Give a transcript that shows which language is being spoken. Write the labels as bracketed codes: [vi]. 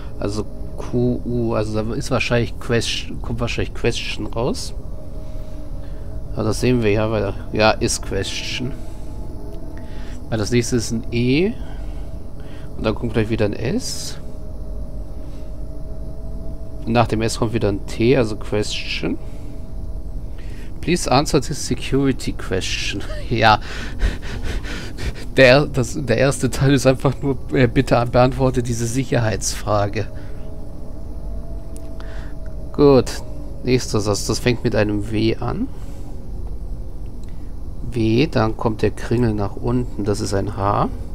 [de] Also Q, U, also da ist wahrscheinlich Question, kommt wahrscheinlich Question raus. Aber das sehen wir ja, weil ja, ist Question. Weil das nächste ist ein E. Und dann kommt gleich wieder ein S. Und nach dem S kommt wieder ein T, also Question. [en] Please answer this security question. [de] Ja. Der erste Teil ist einfach nur, bitte beantworte diese Sicherheitsfrage. Gut. Nächster Satz. Das fängt mit einem W an. W, dann kommt der Kringel nach unten. Das ist ein H.